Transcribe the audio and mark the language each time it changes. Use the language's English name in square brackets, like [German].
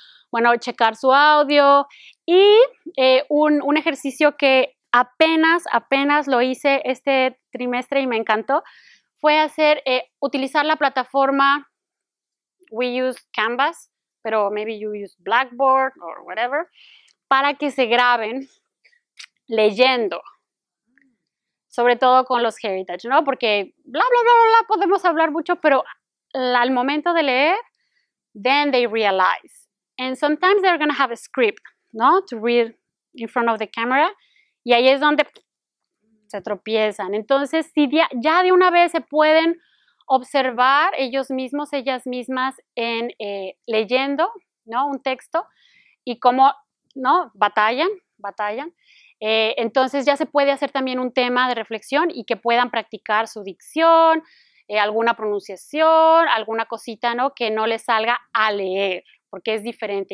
[Spanish] Bueno, checar su audio. Y un ejercicio que apenas lo hice este trimestre y me encantó, fue hacer, utilizar la plataforma, [English] we use Canvas, [Spanish] pero [English] maybe you use Blackboard or whatever, [Spanish] para que se graben leyendo, sobre todo con los Heritage, ¿no? Porque bla, bla, bla, bla, podemos hablar mucho, pero al momento de leer, [English] then they realize. And sometimes they're going to have a script, ¿no?, to read in front of the camera. [Spanish] Y ahí es donde se tropiezan. Entonces, si ya de una vez se pueden observar ellos mismos, ellas mismas, en leyendo, ¿no?, un texto, y cómo, ¿no?, batallan. Entonces, ya se puede hacer también un tema de reflexión y que puedan practicar su dicción, alguna pronunciación, alguna cosita, ¿no?, que no les salga a leer, porque es diferente.